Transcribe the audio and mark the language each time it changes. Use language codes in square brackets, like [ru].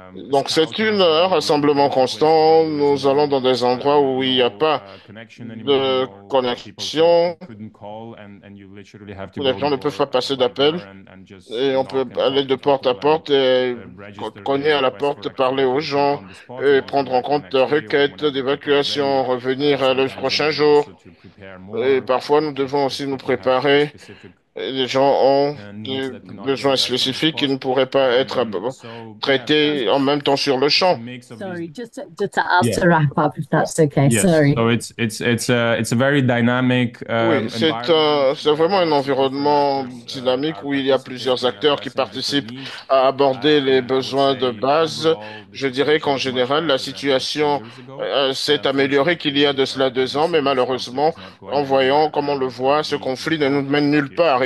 [fr] Donc, c'est un rassemblement constant. Nous allons dans des endroits où il n'y a pas de connexion, où les gens ne peuvent pas passer d'appel et on peut aller de porte à porte et cogner à la porte, parler aux gens et prendre en compte leurs requêtes d'évacuation, revenir le prochain jour. Et parfois, nous devons aussi nous préparer. Les gens ont des besoins spécifiques qui ne pourraient pas être traités en même temps sur le champ. [en] Sorry, just to ask to wrap up, if that's okay. Sorry. It's a very dynamic [fr] Oui, [en] environment. [fr] c'est vraiment un environnement dynamique où il y a plusieurs acteurs qui participent à aborder les besoins de base. Je dirais qu'en général, la situation s'est améliorée qu'il y a de cela 2 ans, mais malheureusement, en voyant comme on le voit, ce conflit ne nous mène nulle part.